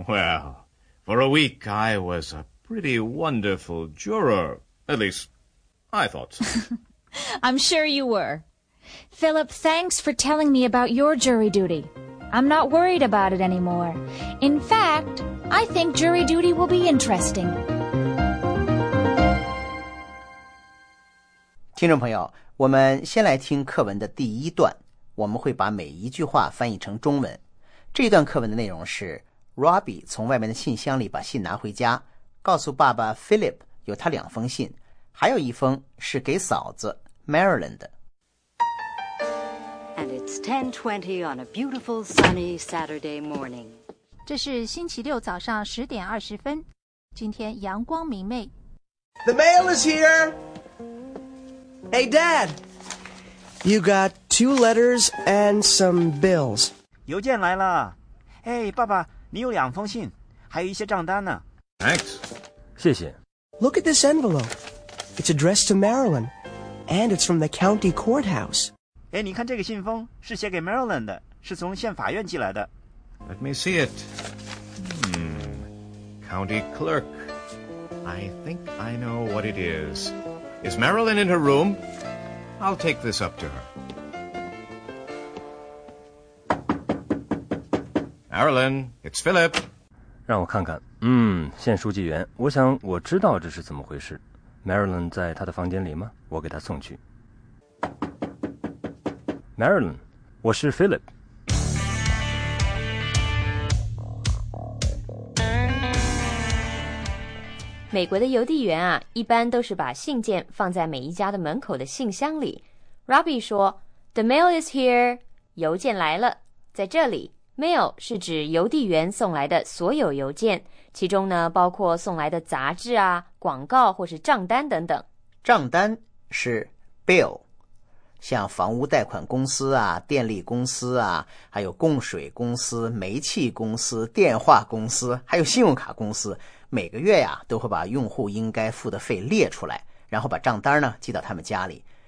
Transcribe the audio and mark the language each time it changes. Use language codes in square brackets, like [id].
[en] Well, for a week, I was a pretty wonderful juror. At least, I thought so. I'm sure you were. Philip, thanks for telling me about your jury duty. I'm not worried about it anymore. In fact, I think jury duty will be interesting. [zh] 听众朋友，我们先来听课文的第一段，我们会把每一句话翻译成中文。这段课文的内容是 Robbie 从外面的信箱里把信拿回家，告诉爸爸 Philip 有他两封信，还有一封是给嫂子 Marilyn 的。 [en] And it's 10:20 on a beautiful sunny Saturday morning. [zh] 这是星期六早上10:20，今天阳光明媚。 [en] The mail is here! Hey, Dad! You got two letters and some bills. [zh] 邮件来了。 Hey, 爸爸，你有两封信，还有一些账单呢。 [en] Thanks. [zh] 谢谢。 [en] Look at this envelope. It's addressed to Marilyn, and it's from the county courthouse. [zh] 哎，你看这个信封是写给 Marilyn 的，是从县法院寄来的。 [en] Let me see it. County clerk. I think I know what it is. Is Marilyn in her room? I'll take this up to her. Marilyn, it's Philip. [zh] 让我看看。县书记员，我想我知道这是怎么回事。Marilyn 在她的房间里吗？我给她送去。 Marilyn, 我是 Philip. Robbie 说 , [en] The mail is here, [zh] 邮件来了。在这里 ,mail 是指邮递员送来的所有邮件，其中呢包括送来的杂志啊、广告或是账单等等。账单是 bill。像房屋贷款公司啊、电力公司啊、还有供水公司、煤气公司、电话公司、还有信用卡公司，每个月呀、都会把用户应该付的费列出来，然后把账单呢寄到他们家里。